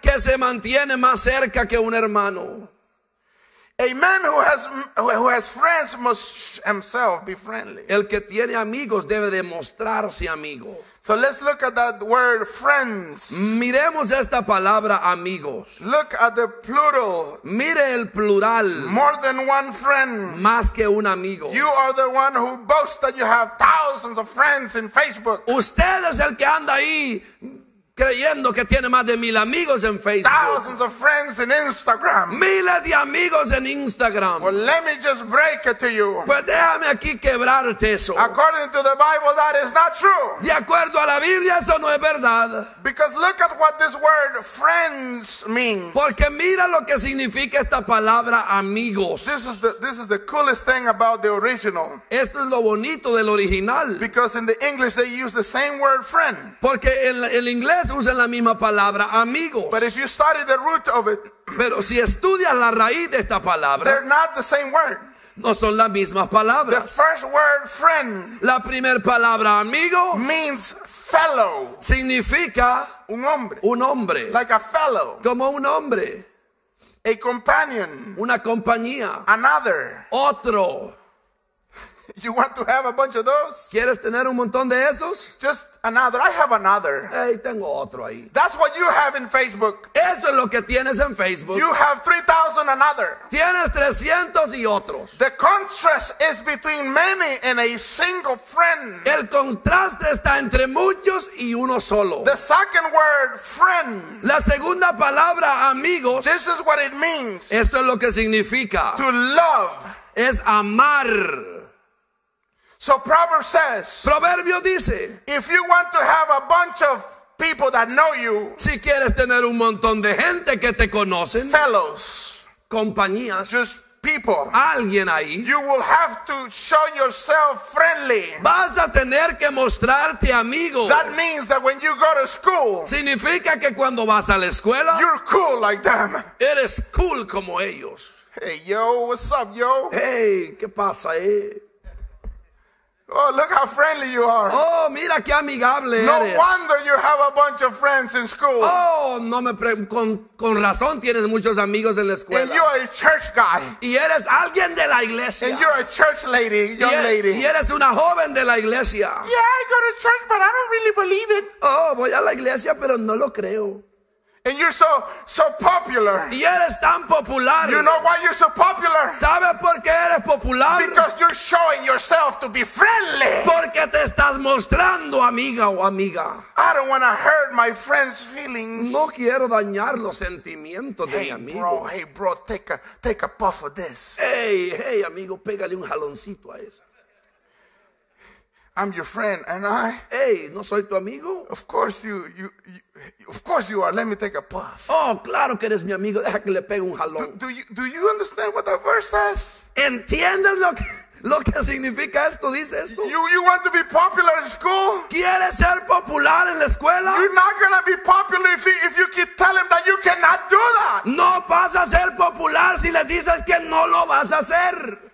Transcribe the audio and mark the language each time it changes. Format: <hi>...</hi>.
<es>Que se mantiene más cerca que un hermano.</es> <en>A man who has friends must himself be friendly.</en> <es>El que tiene amigos debe demostrarse amigo.</es> <en>So let's look at that word friends.</en> <es>Miremos esta palabra amigos.</es> <en>Look at the plural.</en> <es>Mire el plural.</es> <en>More than one friend.</en> <es>Más que un amigo.</es> <en>You are the one who boasts that you have thousands of friends in Facebook.</en> <es>Usted es el que anda ahí creyendo que tiene más de 1,000 amigos en Facebook.</es> <en>Thousands of friends in Instagram.</en> <es>Miles de amigos en Instagram.</es> <en>Well, let me just break it to you.</en> <es>Pues déjame aquí quebrarte eso.</es> <en>According to the Bible, that is not true.</en> <es>De acuerdo a la Biblia, eso no es verdad.</es> <en>Because look at what this word friends means.</en> <es>Porque mira lo que significa esta palabra amigos.</es> <en>This is the coolest thing about the original.</en> <es>Esto es lo bonito del original.</es> <en>Because in the English, they use the same word friend.</en> <es>Porque el inglés vez usan la misma palabra, amigos.</es> <en>But if you study the root of it,</en> <es>pero si estudias la raíz de esta palabra,</es> <en>they're not the same word.</en> <es>No son las mismas palabras.</es> <en>The first word, friend,</en> <es>la primera palabra, amigo,</es> <en>means fellow.</en> <es>Significa un hombre. Un hombre.</es> <en>Like a fellow.</en> <es>Como un hombre.</es> <en>A companion.</en> <es>Una compañía.</es> <en>Another.</en> <es>Otro.</es> <en>You want to have a bunch of those?</en> <es>¿Quieres tener un montón de esos?</es> <en>Just another. I have another.</en> <es>Hey, tengo otro ahí.</es> <en>That's what you have in Facebook.</en> <es>Eso es lo que tienes en Facebook.</es> <en>You have 3,000 another.</en> <es>Tienes 300 y otros.</es> <en>The contrast is between many and a single friend.</en> <es>El contraste está entre muchos y uno solo.</es> <en>The second word, friend.</en> <es>La segunda palabra, amigos.</es> <en>This is what it means.</en> <es>Esto es lo que significa.</es> <en>To love.</en> <es>Es amar.</es> <en>So Proverbs says,</en> <es>Proverbio dice,</es> <en>if you want to have a bunch of people that know you,</en> <es>si quieres tener un montón de gente que te conocen,</es> <en>fellows,</en> <es>compañías,</es> <en>just people,</en> <es>alguien ahí,</es> <en>you will have to show yourself friendly.</en> <es>Vas a tener que mostrarte amigo.</es> <en>That means that when you go to school,</en> <es>significa que cuando vas a la escuela,</es> <en>you're cool like them.</en> <es>Eres cool como ellos.</es> <en>Hey yo, what's up yo?</en> <es>Hey, ¿qué pasa eh?</es> <en>Oh, look how friendly you are.</en> <es>Oh, mira qué amigable no eres.</es> <en>No wonder you have a bunch of friends in school.</en> <es>Oh, no me con razón tienes muchos amigos en la escuela.</es> <en>And you are a church guy.</en> <es>Y eres alguien de la iglesia.</es> <en>And you're a church lady, young lady.</en> <es>Y eres una joven de la iglesia.</es> <en>Yeah, I go to church, but I don't really believe it.</en> <es>Oh, voy a la iglesia, pero no lo creo.</es> <en>And you're so popular.</en> <es>Y eres tan popular.</es> <en>You know why you're so popular?</en> <es>¿Sabes por qué eres popular?</es> <en>Because you're showing yourself to be friendly.</en> <es>Porque te estás mostrando amiga o amiga.</es> <en>I don't want to hurt my friend's feelings.</en> <es>No quiero dañar los sentimientos de hey, mi amigo.</es> <en>Hey bro, take a puff of this.</en> <es>Hey amigo, pégale un jaloncito a eso.</es> <en>I'm your friend, and I.</en> <es>Hey, no soy tu amigo.</es> <en>Of course you. Of course you are. Let me take a puff.</en> <es>Oh, claro que eres mi amigo. Deja que le pegue un jalón.</es> <en>Do you understand what that verse says?</en> <es>¿Entiendes lo que significa esto? Dice esto.</es> <en>You want to be popular in school?</en> <es>¿Quieres ser popular en la escuela?</es> <en>You're not gonna be popular if you keep telling that you cannot do that.</en> <es>No vas a ser popular si le dices que no lo vas a hacer.</es>